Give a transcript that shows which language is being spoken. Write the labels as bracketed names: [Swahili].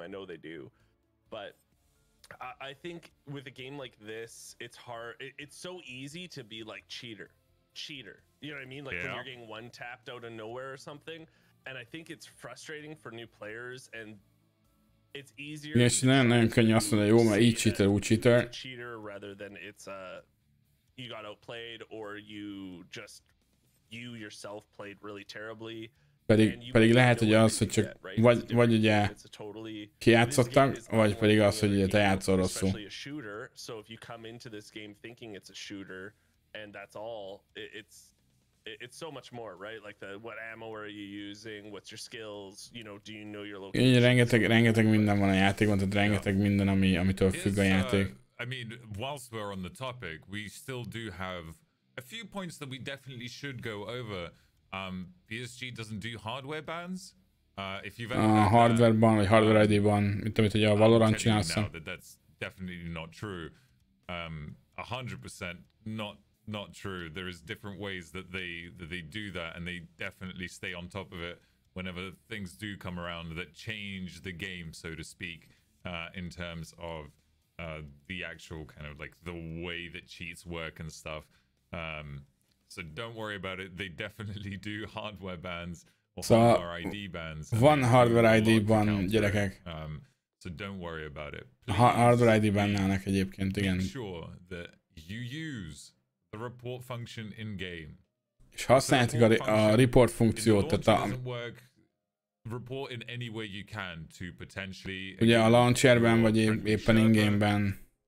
[English] I know they do, but I think with a game like this, it's hard. It's so easy to be like cheater. You know what I mean? Like, yeah. When you're getting one tapped out of nowhere or something. And I think it's frustrating for new players, and it's easier. [Hungarian] Yes, nagyon könnyű azt mondani, jó, mert így cheater, úgy cheater. [English] Cheater rather than it's a you got outplayed or you yourself played really terribly. [Hungarian] Pedig lehet, hogy az, hogy csak vagy ugye kijátszottak, vagy pedig az, hogy ugye te játszol rosszul. [English] So if you come into this game thinking it's a shooter and that's all, it's so much more, right? Like what ammo are you using, what's your skills, you know, do you know your location? [Hungarian] Rengeteg minden van a játékban, tehát rengeteg minden, amitől függ a játék. [English] I mean, whilst we're on the topic, we still do have a few points that we definitely should go over. PSG doesn't do hardware bans. If you've ever [Hungarian] hardware ban vagy hardware ID ban, mint amit ugye a Valorant csinálsz. [English] That's definitely not true. 100% not true. There is different ways that they do that, and they definitely stay on top of it whenever things do come around that change the game, so to speak, in terms of the actual kind of like the way that cheats work and stuff. So don't worry about it. They definitely do hardware bans or hardware ID bans. One hardware ID ban, [Hungarian] gyerekek. [English] So don't worry about it. [Hungarian] Hardware ID bannának egyébként, igen. [English] Make sure that you use the report function in game. [Hungarian] És használjátok a report funkciót, tehát a... [English] Report in any way you can to potentially... [Hungarian] Ugye a launcherben vagy éppen in-gameben.